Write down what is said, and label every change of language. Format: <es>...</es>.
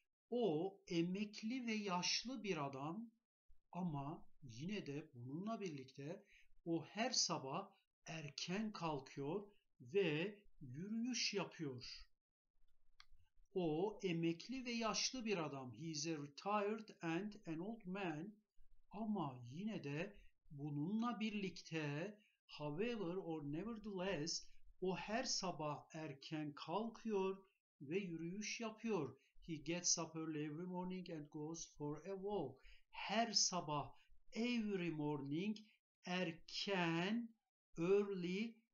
<tr>O emekli ve yaşlı bir adam ama yine de bununla birlikte o her sabah erken kalkıyor ve yürüyüş yapıyor. O emekli ve yaşlı bir adam.</tr> <en>He is a retired and an old man.</en> <tr>Ama yine de bununla birlikte</tr> <en>however or nevertheless</en> <tr>o her sabah erken kalkıyor ve yürüyüş yapıyor.</tr> <en>He gets up early every morning and goes for a walk.</en> <tr>Her sabah,</tr> <en>every morning,</en> <tr>erken,</tr> <en>early</en>